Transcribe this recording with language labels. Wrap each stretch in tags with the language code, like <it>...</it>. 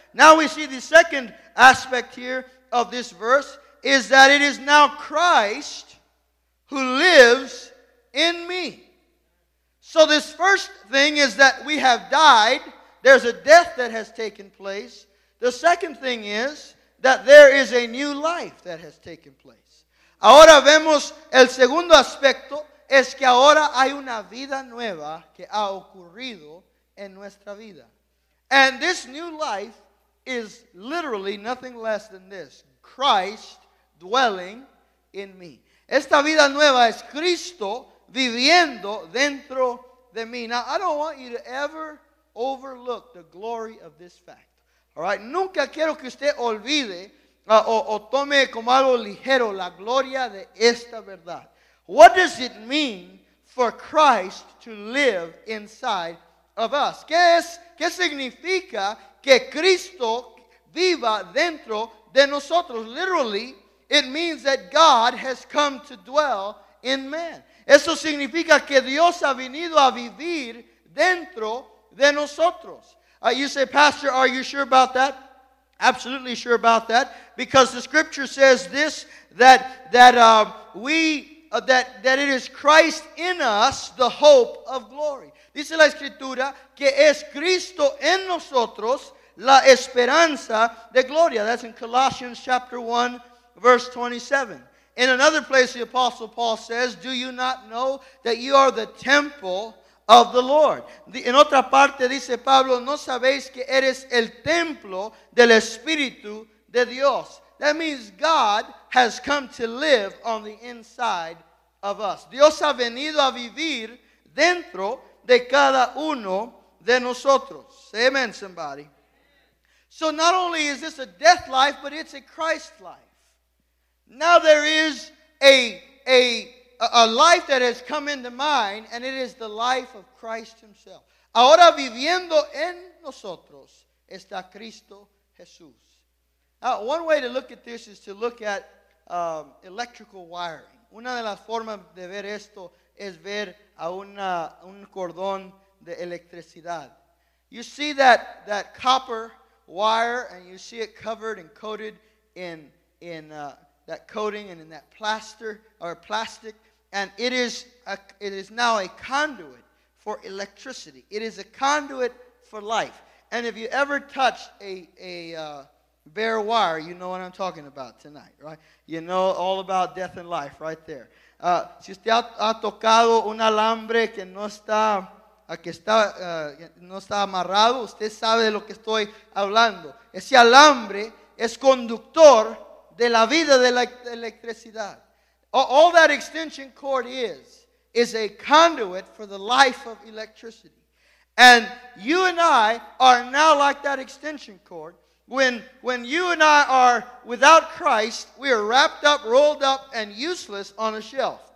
<en>Now we see the second aspect here of this verse is that it is now Christ who lives in me. So this first thing is that we have died. There's a death that has taken place. The second thing is that there is a new life that has taken place.</en> <es>Ahora vemos el segundo aspecto es que ahora hay una vida nueva que ha ocurrido en nuestra vida.</es> <en>And this new life is literally nothing less than this. Christ dwelling in me.</en> <es>Esta vida nueva es Cristo viviendo dentro de mí.</es> <en>Now, I don't want you to ever overlook the glory of this fact. All right?</en> <es>Nunca quiero que usted olvide o tome como algo ligero la gloria de esta verdad.</es> <en>What does it mean for Christ to live inside of us?</en> <es>¿Qué significa que Cristo viva dentro de nosotros?</es> <en>Literally, it means that God has come to dwell in man.</en> <es>Eso significa que Dios ha venido a vivir dentro de nosotros.</es> <en>You say, Pastor, are you sure about that? Absolutely sure about that. Because the scripture says this, that that it is Christ in us, the hope of glory.</en> <es>Dice la Escritura que es Cristo en nosotros la esperanza de gloria.</es> <en>That's in Colossians chapter 1, verse 27. In another place, the Apostle Paul says, do you not know that you are the temple of the Lord?</en> <es>En otra parte dice Pablo, ¿no sabéis que eres el templo del Espíritu de Dios?</es> <en>That means God has come to live on the inside of us.</en> <es>Dios ha venido a vivir dentro de cada uno de nosotros.</es> <en>Say amen, somebody. So not only is this a death life, but it's a Christ life. Now there is a life that has come into mind, and it is the life of Christ himself.</en> <es>Ahora viviendo en nosotros está Cristo Jesús.</es> <en>Now, one way to look at this is to look at electrical wiring.</en> <es>Una de las formas de ver esto es ver a un cordón de electricidad.</es> <en>You see that copper wire, and you see it covered and coated in that coating and in that plaster or plastic. And it is now a conduit for electricity. It is a conduit for life. And if you ever touch a bare wire, you know what I'm talking about tonight, right? You know all about death and life right there.</en> <es>Si usted ha tocado un alambre que no está amarrado, usted sabe de lo que estoy hablando. Ese alambre es conductor de la vida de la electricidad.</es> <en>All that extension cord is a conduit for the life of electricity. And you and I are now like that extension cord. When you and I are without Christ, we are wrapped up, rolled up, and useless on a shelf.</en>